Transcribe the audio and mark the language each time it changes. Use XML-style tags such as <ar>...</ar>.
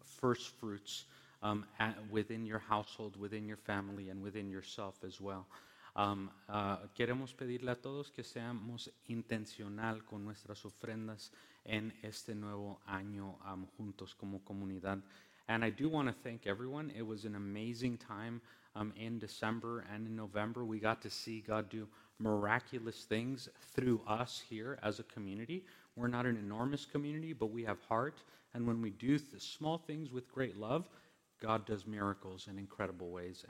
<en>first fruits within your household, within your family, and within yourself as well.</en> <es>Queremos pedirle a todos que seamos intencional con nuestras ofrendas en este nuevo año juntos como comunidad.</es> <en>And I do want to thank everyone. It was an amazing time in December and in November. We got to see God do miraculous things through us here as a community. We're not an enormous community, but we have heart. And when we do small things with great love, God does miracles in incredible ways.</en>